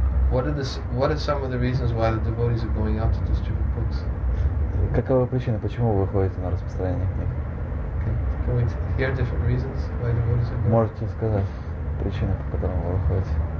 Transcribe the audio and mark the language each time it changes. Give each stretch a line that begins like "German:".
English: What are some of the reasons why the devotees are going out to distribute books?
Russian: Каковы причины, почему вы выходите на распространение книг?
English: Can we hear different reasons why the devotees are going?
Russian: Можете сказать причины, по которым вы выходите?